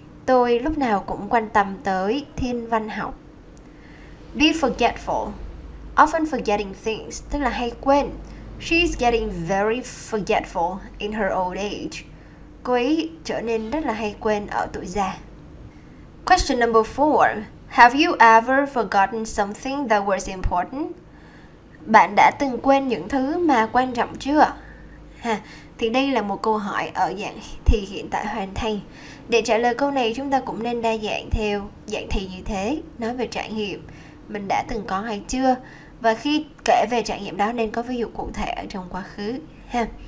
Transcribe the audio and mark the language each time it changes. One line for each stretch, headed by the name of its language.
Vietnamese: Tôi lúc nào cũng quan tâm tới thiên văn học.
English: Be forgetful. Often forgetting things,
Vietnamese: tức là hay quên.
English: She's getting very forgetful in her old age.
Vietnamese: Cô ấy trở nên rất là hay quên ở tuổi già.
English: Question number four. Have you ever forgotten something that was important?
Vietnamese: Bạn đã từng quên những thứ mà quan trọng chưa? Ha, thì đây là một câu hỏi ở dạng thì hiện tại hoàn thành. Để trả lời câu này, chúng ta cũng nên đa dạng theo dạng thì như thế. Nói về trải nghiệm, mình đã từng có hay chưa? Và khi kể về trải nghiệm đó nên có ví dụ cụ thể ở trong quá khứ ha.